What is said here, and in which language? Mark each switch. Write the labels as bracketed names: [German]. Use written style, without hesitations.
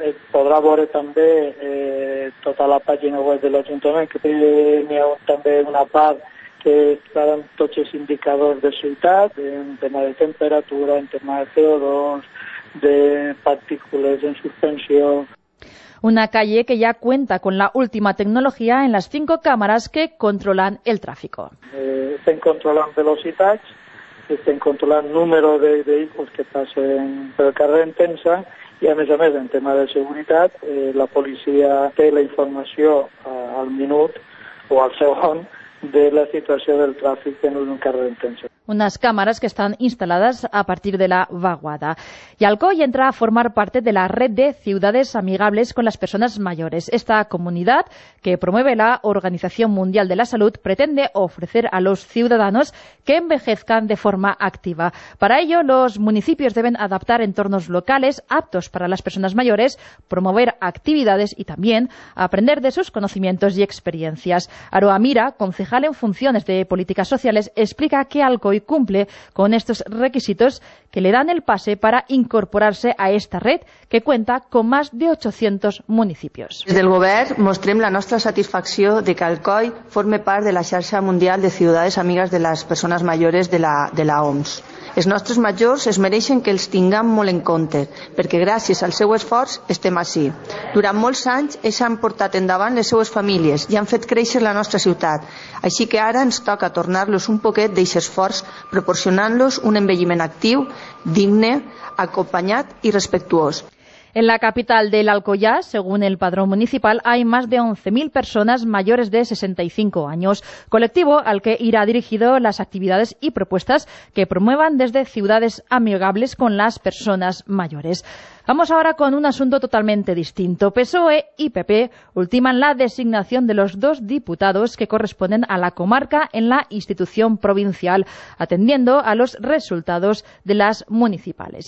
[Catalan] Podrà veure també tota la pàgina web de l'Ajuntament, que n'hi ha també una part que estaran tots els indicadors de ciutat, en tema de temperatura, en tema de CO2, de partícules en suspensió. [Spanish] Una calle que ja cuenta con la última tecnologia en les 5 càmeres que controlen el tráfico. [Catalan] Estem controlant velocitats, estem controlant número de vehicles que passen pel carrer Entenza, i a més, en tema de seguretat, la policia té la informació al minut o al segon de la situació del tràfic en un carrer Entenza. [Spanish] unas cámaras que están instaladas a partir de la vaguada. Y Alcoy entra a formar parte de la red de ciudades amigables con las personas mayores. Esta comunidad, que promueve la Organización Mundial de la Salud, pretende ofrecer a los ciudadanos que envejezcan de forma activa. Para ello, los municipios deben adaptar entornos locales aptos para las personas mayores, promover actividades y también aprender de sus conocimientos y experiencias. Aroa Mira, concejal en funciones de políticas sociales, explica que Alcoy cumple con estos requisitos que le dan el pase para incorporarse a esta red que cuenta con más de 800 municipios. [Catalan] Des del govern mostrem la nostra satisfacció de que Alcoy forme part de la xarxa mundial de ciutats amigues de les persones majors de la OMS. Els nostres majors es mereixen que els tinguem molt en compte, perquè gràcies al seu esforç estem així. Durant molts anys ells han portat endavant les seues famílies i han fet créixer la nostra ciutat. Així que ara ens toca tornar-los un poquet d'aquest esforç, proporcionant-los un envelliment actiu, digne, acompanyat i respectuós. [Spanish] En la capital del Alcoyà, según el padrón municipal, hay más de 11.000 personas mayores de 65 años, colectivo al que irá dirigido las actividades y propuestas que promuevan desde ciudades amigables con las personas mayores. Vamos ahora con un asunto totalmente distinto. PSOE y PP ultiman la designación de los dos diputados que corresponden a la comarca en la institución provincial, atendiendo a los resultados de las municipales.